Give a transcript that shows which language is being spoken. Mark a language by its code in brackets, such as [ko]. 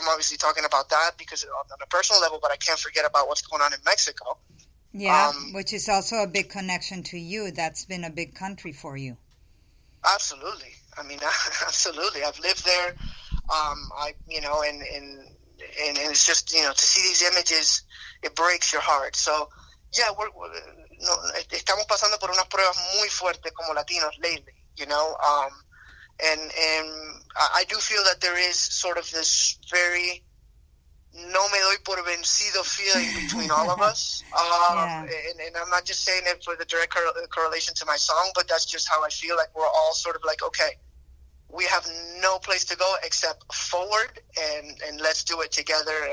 [en] I'm obviously talking about that because on a personal level, but I can't forget about what's going on in Mexico. Yeah, which is also a big connection to you. That's been a big country for you. Absolutely. I mean, absolutely. I've lived there. And it's just, you know, to see these images, it breaks your heart. So, yeah, [es] estamos pasando por unas pruebas muy fuertes como Latinos [en] lately, you know. I do feel that there is sort of this very [es] no me doy por vencido [en] feeling between all of us. And I'm not just saying it for the direct correlation to my song, but that's just how I feel. Like, we're all sort of like, okay, we have no place to go except forward, and let's do it together.